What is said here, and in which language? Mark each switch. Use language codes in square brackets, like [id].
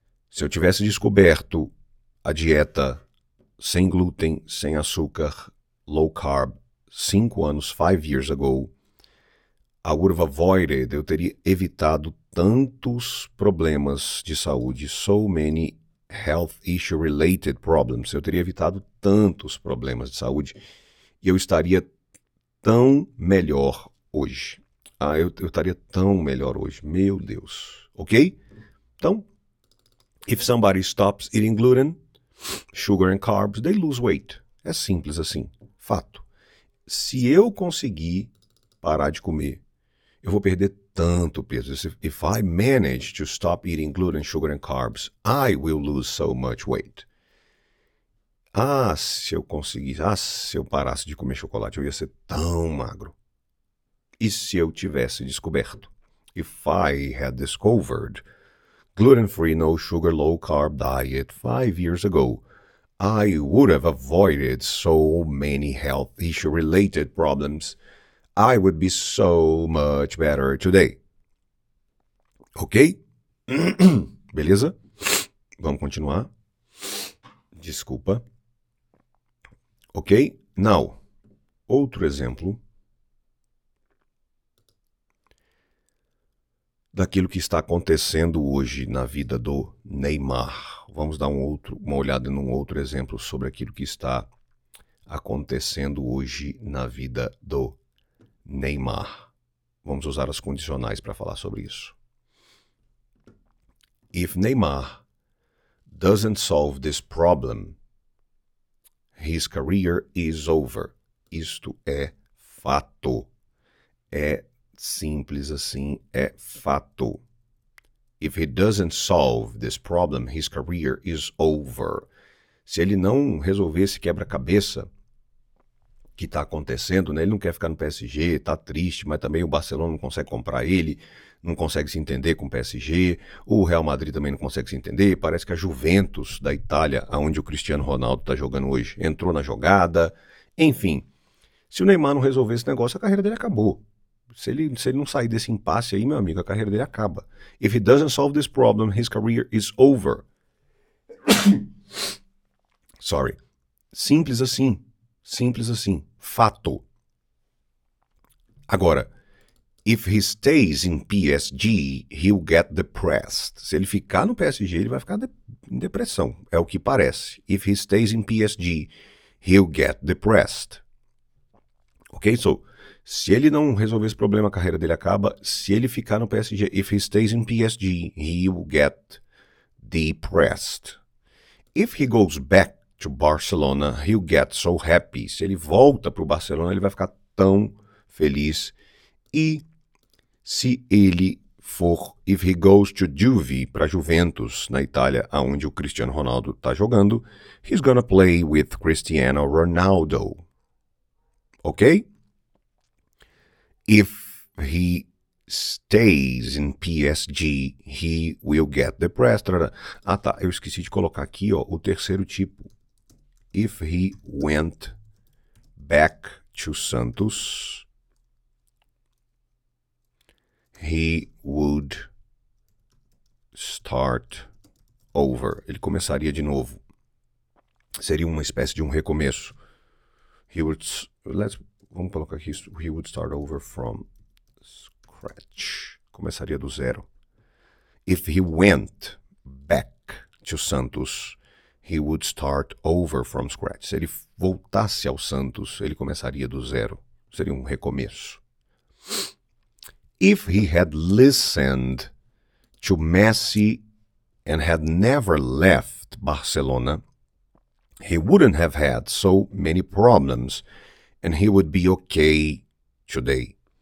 [pt] Se eu tivesse descoberto a dieta sem glúten, sem açúcar, low carb, 5 anos, [en] 5 years ago, I would have avoided, [pt] eu teria evitado tantos problemas de saúde, [en] so many health issue-related problems, [pt] eu teria evitado tantos problemas de saúde, e eu estaria tão melhor hoje. Ah, eu estaria tão melhor hoje, meu Deus, ok? Então, [en] if somebody stops eating gluten, sugar and carbs, they lose weight. [pt] É simples assim, fato. Se eu conseguir parar de comer, eu vou perder tanto peso. [en] If I manage to stop eating gluten, sugar and carbs, I will lose so much weight. [pt] Ah, se eu conseguisse, ah, se eu parasse de comer chocolate, eu ia ser tão magro. E se eu tivesse descoberto? [en] If I had discovered gluten-free, no sugar, low-carb diet 5 years ago, I would have avoided so many health issue-related problems. I would be so much better today. [pt] Ok? Beleza? Vamos continuar. Desculpa. Ok? [en] Now, [pt] outro exemplo daquilo que está acontecendo hoje na vida do Neymar. Vamos dar uma olhada num outro exemplo sobre aquilo que está acontecendo hoje na vida do Neymar. Vamos usar as condicionais para falar sobre isso. [en] If Neymar doesn't solve this problem, his career is over. [pt] Isto é fato. É simples assim, é fato. [en] If he doesn't solve this problem, his career is over. [pt] Se ele não resolver esse quebra-cabeça que está acontecendo, né? Ele não quer ficar no PSG, está triste, mas também o Barcelona não consegue comprar ele, não consegue se entender com o PSG, o Real Madrid também não consegue se entender, parece que a Juventus da Itália, onde o Cristiano Ronaldo está jogando hoje, entrou na jogada. Enfim, se o Neymar não resolver esse negócio, a carreira dele acabou. Se ele não sair desse impasse aí, meu amigo, a carreira dele acaba. [en] If he doesn't solve this problem, his career is over. Sorry. [pt] Simples assim. Simples assim. Fato. Agora, [en] if he stays in PSG, he'll get depressed. [pt] Se ele ficar no PSG, ele vai ficar em depressão. É o que parece. [en] If he stays in PSG, he'll get depressed. [pt] Ok, [en] so, [pt] se ele não resolver esse problema, a carreira dele acaba. Se ele ficar no PSG, [en] if he stays in PSG, he will get depressed. If he goes back to Barcelona, he'll get so happy. [pt] Se ele volta para o Barcelona, ele vai ficar tão feliz. E se ele for, [en] if he goes to Juve, [pt] para Juventus, na Itália, onde o Cristiano Ronaldo está jogando, [en] he's gonna play with Cristiano Ronaldo. Ok? If he stays in PSG, he will get depressed. [pt] Ah, tá, eu esqueci de colocar aqui, ó, o terceiro tipo. [en] If he went back to Santos, he would start over. [pt] Ele começaria de novo. Seria uma espécie de um recomeço. [en] He would, [pt] vamos colocar aqui, [en] he would start over from scratch. [pt] Começaria do zero. [en] If he went back to Santos, he would start over from scratch. [pt] Se ele voltasse ao Santos, ele começaria do zero. Seria um recomeço. [en] If he had listened to Messi and had never left Barcelona, he wouldn't have had so many problems and he would be okay today.